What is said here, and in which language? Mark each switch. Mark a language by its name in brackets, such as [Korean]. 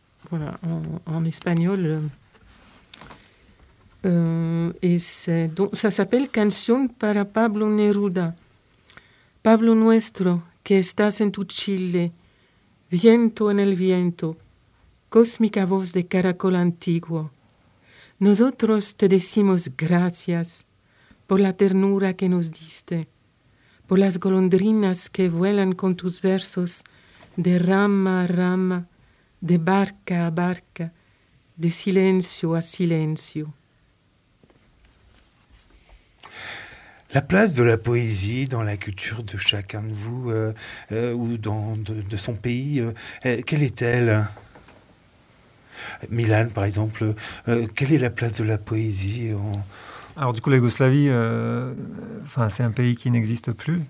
[French] Voilà, en espagnol. Et c'est, donc, ça s'appelle Canción para Pablo Neruda. [Spanish] Pablo nuestro, que estás en tu Chile, viento en el viento, cósmica voz de caracol antiguo. Nosotros te decimos gracias por la ternura que nos diste, por las golondrinas que vuelan con tus versos de rama a rama, de barca a barca, de silencio a silencio. [French] La place de la poésie dans la culture de chacun de vous ou de son pays, quelle est-elle? Milan, par exemple, quelle est la place de la poésie en... Alors du coup, la Yougoslavie, c'est un pays qui n'existe plus,